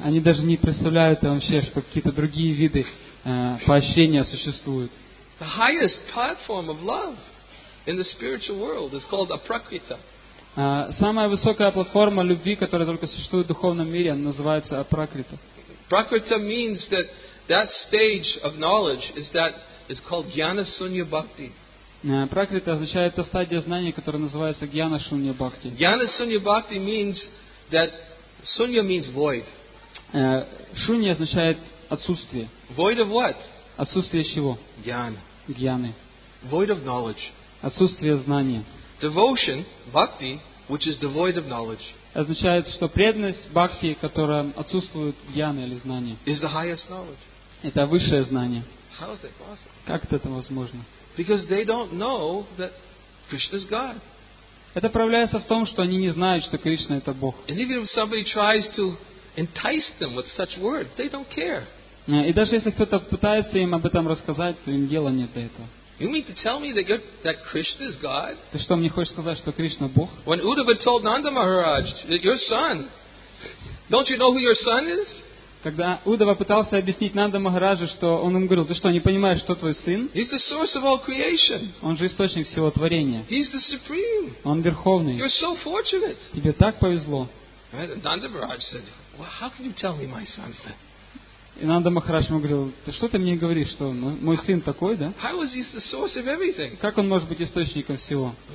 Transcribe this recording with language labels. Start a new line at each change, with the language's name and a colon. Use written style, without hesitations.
Russian: Они даже не представляют вообще, что какие-то другие виды поощрения существуют.
English: The highest platform of love in the spiritual world is called aprakrita.
Russian: Самая высокая платформа любви, которая только существует в духовном мире, называется апракрита.
English: Prakriti means that that stage of knowledge is that is called jnana sunya bhakti.
Russian: Prakriti означает та стадия знания, которая называется jnana sunya bhakti.
English: Jnana sunya bhakti means that sunya means void.
Russian: Shunya означает отсутствие.
English: Void of what?
Russian: Отсутствие чего?
English: Jnana. Void of knowledge.
Russian: Отсутствие знания.
English: Devotion, bhakti, which is devoid of knowledge.
Russian: Означает, что преданность бхакти, которая отсутствует гьяны или знания,
English: is the highest knowledge.
Russian: Это высшее знание.
English: How is that possible?
Russian: Как это возможно?
English: Because they don't know that Krishna is God.
Russian: Это проявляется в том, что они не знают, что Кришна это Бог.
English: And even if somebody tries to entice them with such words, they don't care.
Russian: И даже если кто-то пытается им об этом рассказать, то им дела нет до этого.
English: You mean to tell me that Krishna is God?
Russian: Ты что мне хочешь сказать, что Кришна Бог?
English: When Uddhava told Nanda Maharaj that your son, don't you know who your son is?
Russian: Когда Уддхава пытался объяснить Нанда Махараджу, что он ему говорил, ты что не понимаешь, что твой сын?
English: He's the source of all creation.
Russian: Он же источник всего творения.
English: He's the supreme.
Russian: Он верховный.
English: You're so fortunate.
Russian: Тебе так повезло.
English: Nanda Maharaj said, well, how can you tell me my son's that?
Russian: И Нанда Махарадж ему говорил, ты что ты мне говоришь, что мой сын такой, да?
English: How is he the source of everything?
Russian: Как он может быть источником всего?